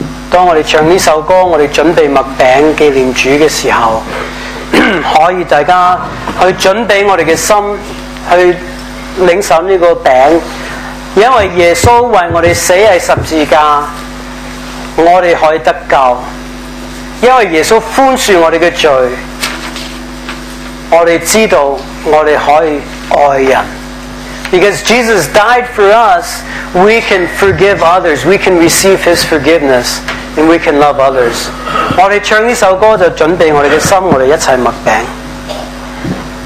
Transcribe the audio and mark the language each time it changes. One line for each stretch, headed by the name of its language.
Chinese: 当我们唱这首歌，我们准备麦饼纪念主的时候，可以大家去准备我们的心去领受这个饼，因为耶稣为我们死在十字架，我们可以得救，因为耶稣宽恕我们的罪，我们知道我们可以爱人。
English: Because Jesus died for us, we can forgive others, we can receive his forgiveness, and we can love others.
Chinese: 我们唱这首歌就准备我们的心，我们一起麦饼。